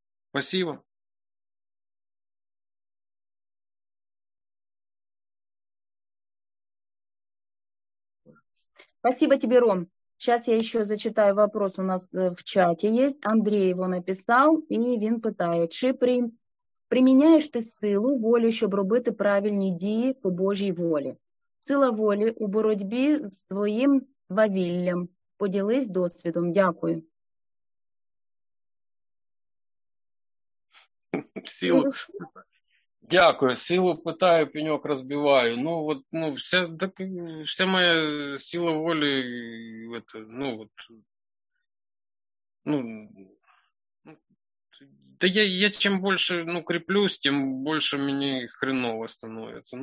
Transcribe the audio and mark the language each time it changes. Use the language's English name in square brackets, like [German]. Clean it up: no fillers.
[Russian] Спасибо. Спасибо тебе, Ром. Сейчас я еще зачитаю вопрос у нас в чате. Андрей его написал, [Ukrainian] и він питає, чи при... Приміняєш ти силу волі, щоб робити правильні дії по Божій волі. Сила волі у боротьбі з твоїм вавіллям. Поділись досвідом. Дякую. Силу. Дякую. Силу питаю, пеньок розбиваю. [Russian] Ну, от, ну, вся, так, [Ukrainian] вся моя сила волі, [Russian] это, ну, от, ну, да я чем больше, ну, креплюсь, тем больше мне хреново становится.